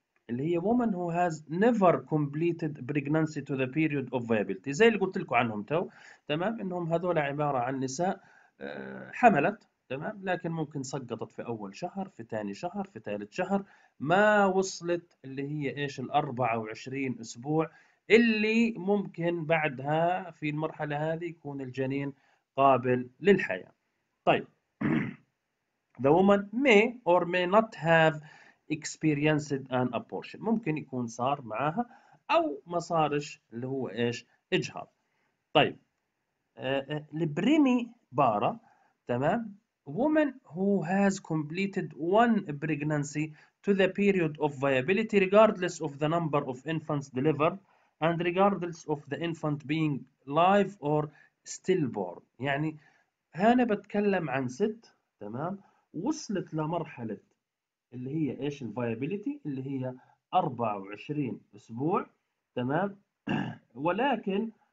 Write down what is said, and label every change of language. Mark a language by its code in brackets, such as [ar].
[ar] اللي هي [en] woman who has never completed pregnancy to the period of viability، [ar] زي اللي قلت لكم عنهم تو، تمام، انهم هذول عبارة عن نساء حملت، تمام، لكن ممكن سقطت في اول شهر، في ثاني شهر، في ثالث شهر، ما وصلت اللي هي ايش ال 24 اسبوع اللي ممكن بعدها في المرحلة هذه يكون الجنين قابل للحياة. طيب [en] the woman may or may not have experienced an abortion، [ar] ممكن يكون صار معها او ما صارش اللي هو ايش اجهاض. طيب البريمي بارا، تمام، [en] woman who has completed one pregnancy to the period of viability regardless of the number of infants delivered and regardless of the infant being live or stillborn. [ar] يعني هنا بتكلم عن ست، تمام، وصلت لمرحلة اللي هي ايش الفايابيليتي اللي هي 24 اسبوع، تمام، ولكن